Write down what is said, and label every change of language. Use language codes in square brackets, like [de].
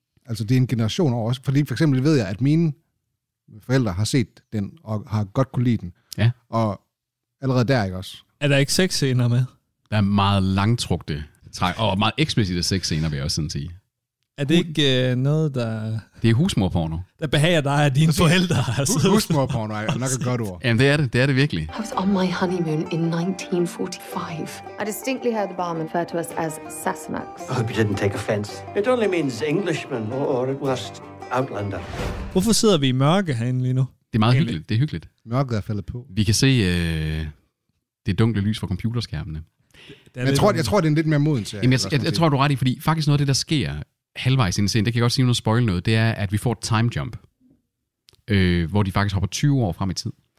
[da] Altså det er en generation over os. Fordi for eksempel ved jeg, at mine forældre har set den og har godt kunne lide den. Ja. Og allerede der, ikke også? Er der ikke sexscener med? Der er meget langtrukte træk, og meget eksplicite sexscener, vil jeg også sådan sige. Er det ikke noget, der... Det er husmorporno. Der behager dig af dine forældre. Altså. Husmorporno er nok et godt ord. Jamen, det er det. Det er det virkelig. [en] I was on my honeymoon in 1945. I distinctly heard the barman refer to us as Sassenachs. I hope you didn't take offense. It only means Englishman, or at worst, outlander. [da] Hvorfor sidder vi i mørke herinde lige nu? Det er meget hyggeligt. Det er hyggeligt. Mørket er faldet på. Vi kan se det dunkle lys fra computerskærmene. Jeg tror, det er en lidt mere moden serie. Jeg tror, du er ret i, fordi faktisk noget af det, der sker halvvejs inden scenen, det kan jeg godt sige, noget spoil noget, det er, at vi får et time jump, hvor de faktisk hopper 20 år frem i tid.